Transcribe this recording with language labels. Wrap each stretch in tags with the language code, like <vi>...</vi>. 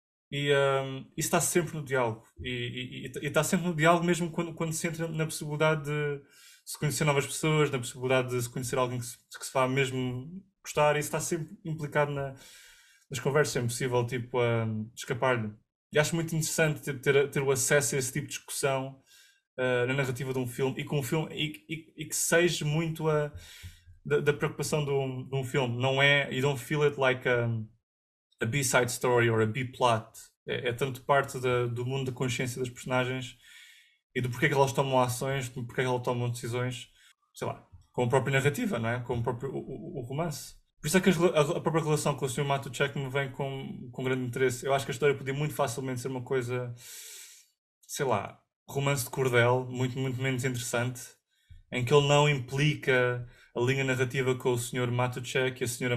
<pt>Isso está sempre no diálogo. E está sempre no diálogo mesmo quando se entra na possibilidade de se conhecer novas pessoas, na possibilidade de se conhecer alguém que se vá mesmo gostar. Isso está sempre implicado nas conversas. É impossível, tipo, escapar-lhe. E acho muito interessante ter o acesso a esse tipo de discussão, na narrativa de um filme e com um filme e que seja muito da preocupação de um filme. Não é,</pt> <en>you don't feel it like a B-side story or a B-plot.</en> <pt>É tanto parte do mundo da consciência das personagens e do porquê que elas tomam ações, do porquê que elas tomam decisões, sei lá, com a própria narrativa, não é? Com o romance. Por isso é que a própria relação com o Sr. Matuszek me vem com grande interesse. Eu acho que a história podia muito facilmente ser uma coisa, sei lá, romance de cordel, muito, muito menos interessante, em que ele não implica a linha narrativa com o Sr. Matuszek e a Sra.</pt>